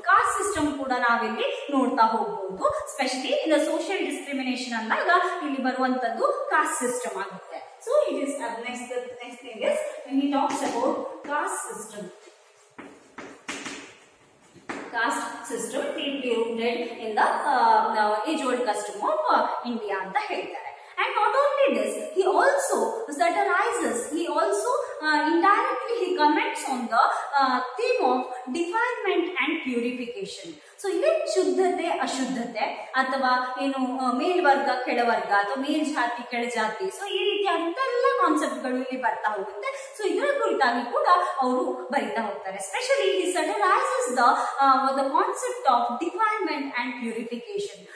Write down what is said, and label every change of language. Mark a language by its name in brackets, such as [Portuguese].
[Kannada] Caste system ಕೂಡ ನಾವಿಲ್ಲಿ ನೋಡ್ತಾ ಹೋಗ್ಬಹುದು. ಸ್ಪೆಷಲಿ ಇನ್ ಸೋಶಿಯಲ್ ಡಿಸ್ಕ್ರಿಮಿನೇಷನ್ ಅಂದಾಗ ಇಲ್ಲಿ ಬರುವಂತದ್ದು ಕಾಸ್ಟ್ ಸಿಸ್ಟಮ್ ಆಗುತ್ತೆ. [English] So it is next thing is when he talks about caste system. Caste system deeply rooted in the age old custom of India [Kannada] ಅಂತ ಹೇಳ್ತಾರೆ. [English] And not only this, he also satirizes, he also indirectly he comments on the theme of defilement and purification. [Kannada] So ಇಲ್ಲಿ ಶುದ್ಧತೆ ಅಶುದ್ಧತೆ ಅಥವಾ ಏನು ಮೇಲ್ವರ್ಗ ಕೆಳವರ್ಗ ಅಥವಾ ಮೇಲ್ ಜಾತಿ ಕೆಳಜಾತಿ, so ಈ ರೀತಿಯಾದಂತೆಲ್ಲ concept ಗಳು ಇಲ್ಲಿ ಬರ್ತಾ ಹೋಗುತ್ತೆ. ಸೊ ಇದರ ಕುರಿತಾಗಿ ಕೂಡ ಅವರು ಬರಿತಾ ಹೋಗ್ತಾರೆ. [English] Specially he ಸಡನೈಸಸ್ the concept of defilement and purification.